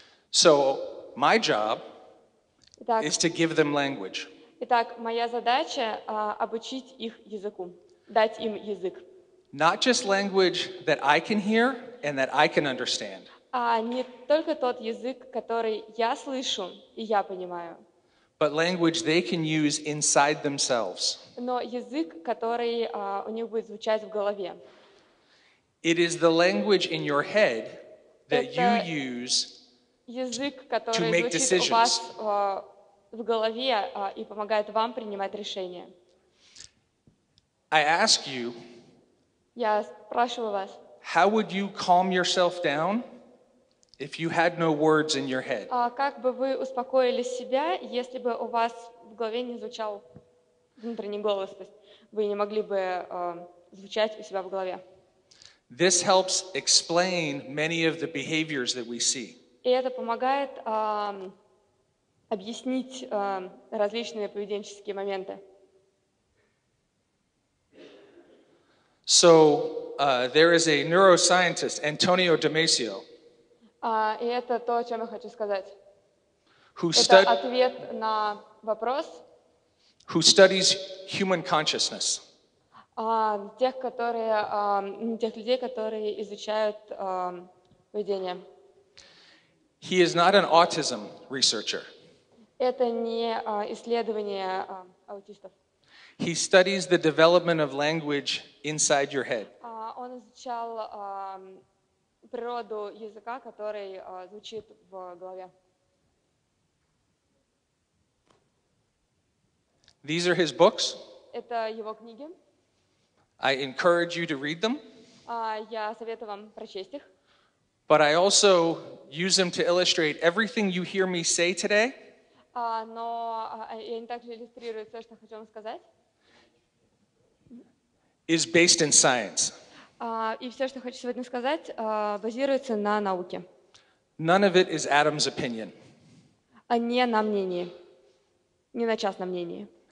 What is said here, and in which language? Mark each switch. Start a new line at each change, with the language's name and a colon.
English: So my job is to give them language.
Russian: Итак, моя задача обучить их языку, дать им язык.
English: Not just language that I can hear and that I can understand.
Russian: Не только тот язык, который я слышу и я понимаю.
English: But language they can use inside themselves.
Russian: Но язык, который у них будет звучать в голове.
English: It is the language in your head that you use
Russian: язык, который
English: to make
Russian: звучит
English: decisions.
Russian: У вас в голове и помогает вам принимать решения.
English: I ask you,
Russian: я спрашиваю вас,
English: how would you calm yourself down if you had no words in your head?
Russian: Как бы вы успокоили себя, если бы у вас в голове не звучал внутренний голос, то есть вы не могли бы звучать у себя в голове?
English: This helps explain many of the behaviors that we see.
Russian: И это помогает объяснить различные поведенческие моменты.
English: So, there is a neuroscientist, Antonio Damasio.
Russian: И это то, о чем я хочу сказать.
English: Who
Russian: это ответ на вопрос.
English: Who studies human consciousness.
Russian: Тех людей, которые изучают поведение.
English: He is not an autism researcher.
Russian: Это не исследование аутистов.
English: He studies the development of language inside your head.
Russian: Он изучал природу языка, который звучит в голове.
English: These are his books.
Russian: Это его книги.
English: I encourage you to read them.
Russian: Я советую вам прочесть их.
English: But I also use them to illustrate everything you hear me say today.
Russian: Но я не так же иллюстрирую все, что хочу вам сказать.
English: Is based in science.
Russian: И все, что хочу сегодня сказать, базируется на науке.
English: None of it is Adam's opinion.
Russian: А не на мнении, не на частном мнении.